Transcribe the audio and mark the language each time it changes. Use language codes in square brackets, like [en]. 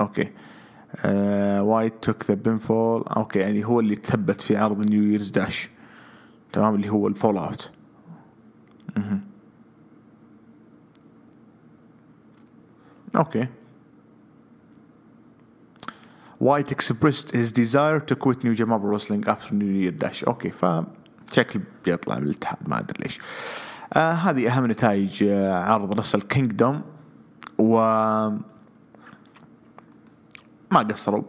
[en] Okay, White took the pinfall. [ar] أوكي، يعني هو اللي تثبت في عرض New Year's Dash، تمام، اللي هو الفول أوت. [en] Okay, White expressed his desire to quit New Japan Wrestling after New Year's Dash. [ar] أوكي، فشكل بيطلع من الاتحاد ما أدري ليش. هذه أهم نتائج عرض رسل كينغدوم، و ما قصروا.